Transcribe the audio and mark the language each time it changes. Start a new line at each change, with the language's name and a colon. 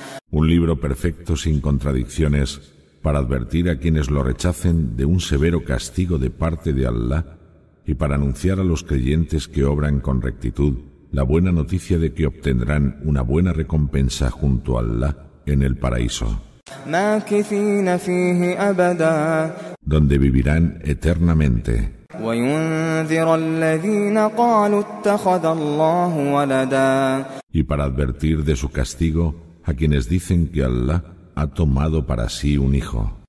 Spanish: Un libro perfecto sin contradicciones para advertir a quienes lo rechacen de un severo castigo de parte de Allah y para anunciar a los creyentes que obran con rectitud la buena noticia de que obtendrán una buena recompensa junto a Allah en el paraíso.
Arabic: ماكثين فيه أبدا
Spanish: donde vivirán eternamente.
Arabic: وينذر الذين قالوا اتخذ الله ولدا
Spanish: y para advertir de su castigo a quienes dicen que Allah ha tomado para sí un hijo.